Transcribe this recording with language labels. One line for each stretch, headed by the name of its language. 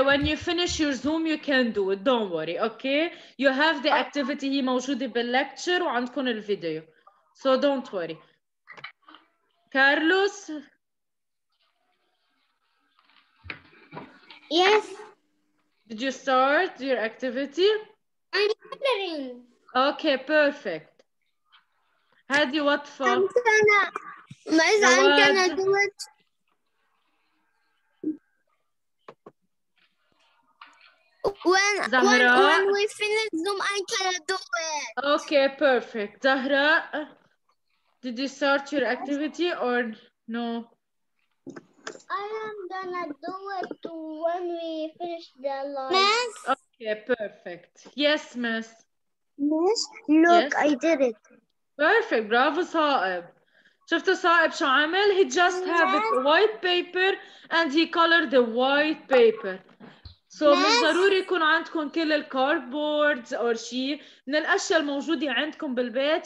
English: When you finish your Zoom, you can do it. Don't worry, okay? You have the activity
Arabic: هي موجودة باللكتشر وعندكم الفيديو.
English: So don't worry. Carlos? Yes. Did you start your activity? I'm coloring. Okay, perfect. Hadi, what for? I'm gonna. Miss, I'm what? Gonna do it. When Zahra? When we finish Zoom, I'm gonna do it. Okay, perfect. Zahra, did you start your activity or no? I am gonna do it when we finish the lines. Okay, perfect. Yes, miss. Miss, look, yes. I did it. Perfect, bravo, Saeb.
Arabic: شفت Saeb شو عمل?
English: He just have a white paper and he colored the white paper. So
Arabic: مش ضروري يكون عندكم كل الكاربوردز أو شيء من الأشياء الموجودة عندكم بالبيت.